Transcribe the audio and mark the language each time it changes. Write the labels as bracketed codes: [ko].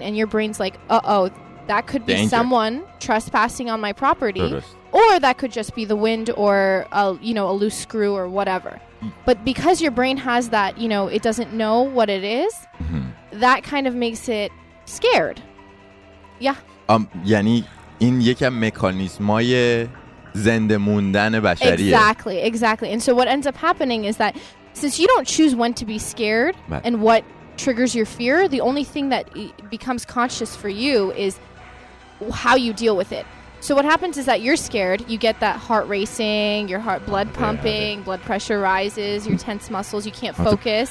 [en] And your brain's like, uh-oh. That could be someone trespassing on my property, or that could just be the wind or a loose screw or whatever. But because your brain has that, you know, it doesn't know what it is, that kind of makes it scared. Yeah. [fa] یعنی این یکی از مکانیزم‌های زنده موندن بشریه. [en] Exactly. And so what ends up happening is that since you don't choose when to be scared and what triggers your fear, the only thing that becomes conscious for you is how you deal with it. So what happens is that you're scared, you get that heart racing, your heart blood pumping, blood pressure rises, your tense muscles, you can't focus.